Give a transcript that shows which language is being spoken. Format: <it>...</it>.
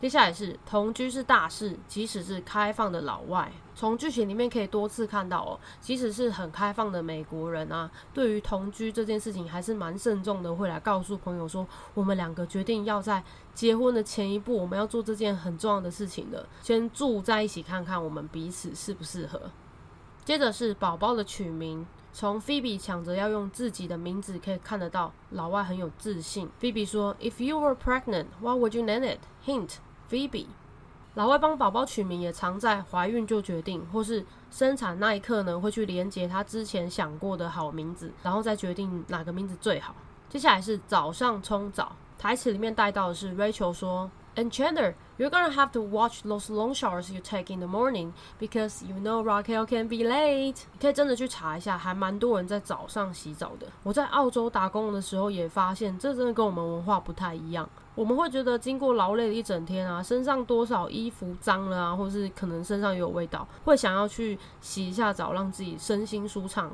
<zh>接下来是同居是大事，即使是开放的老外，从剧情里面可以多次看到哦，即使是很开放的美国人啊，对于同居这件事情还是蛮慎重的，会来告诉朋友说，我们两个决定要在结婚的前一步，我们要做这件很重要的事情的，先住在一起看看我们彼此适不适合。接着是宝宝的取名，从 Phoebe 抢着要用自己的名字，可以看得到老外很有自信。</zh> <en>Phoebe</en> <zh>说</zh> <en>If you were pregnant, what would you name it? Hint, Phoebe。</en> <zh>老外帮宝宝取名也常在怀孕就决定，或是生产那一刻呢，会去连接他之前想过的好名字，然后再决定哪个名字最好。接下来是早上冲澡，台词里面带到的是</zh> <en>Rachel</en> <zh>说</zh> <en>And Chandler, you're gonna have to watch those long showers you take in the morning because you know Raquel can be late.</en> <zh>你可以真的去查一下，还蛮多人在早上洗澡的。我在澳洲打工的时候也发现，这真的跟我们文化不太一样。我们会觉得经过劳累的一整天啊，身上多少衣服脏了啊，或是可能身上有味道，会想要去洗一下澡，让自己身心舒畅。</zh>